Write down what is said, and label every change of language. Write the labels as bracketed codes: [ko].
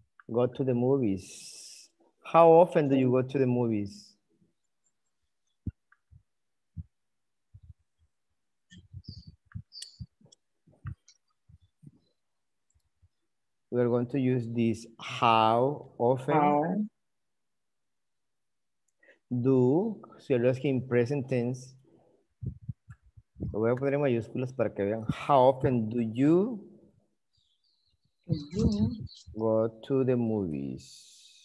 [en] Go to the movies. How often do you go to the movies? We are going to use this how often. [es] Do, si lo es que [en] in present tense, [es] lo voy a poner en mayúsculas para que vean. [en] How often do you go to the movies?